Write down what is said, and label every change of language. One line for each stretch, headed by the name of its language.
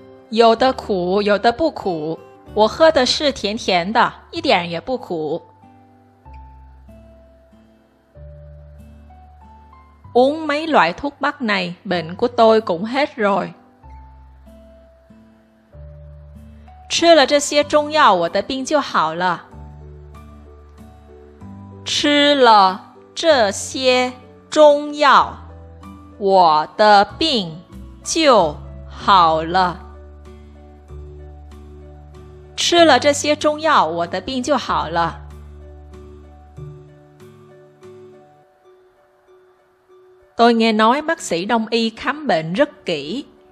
Chinese: 有的苦，有的不苦，我喝的是甜甜的，一点也不苦。有的苦，有的不苦，我喝的是甜甜的，一点也不苦。有的苦，有的不苦。我喝的是甜甜的，一点也不苦。
Vietnamese: Uống mấy loại thuốc bắc này, bệnh của tôi cũng hết rồi.
Chinese: 吃了这些中药，我的病就好了。吃了这些中药，我的病就好了。吃了这些中药，我的病就好了。
Vietnamese: Tôi nghe nói bác sĩ đông y khám bệnh rất kỹ.